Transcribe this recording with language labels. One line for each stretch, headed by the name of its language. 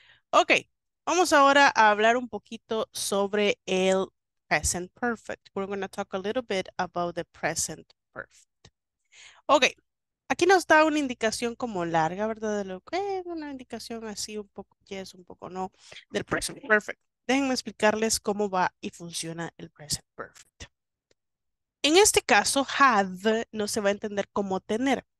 Spanish: Ok, vamos ahora a hablar un poquito sobre el present perfect.
English: We're going to talk a little bit about the present perfect.
Spanish: Ok, aquí nos da una indicación como larga, ¿verdad? De lo que es una indicación así un poco yes, un poco no, del present perfect. Déjenme explicarles cómo va y funciona el present perfect. En este caso, have no se va a entender como tener.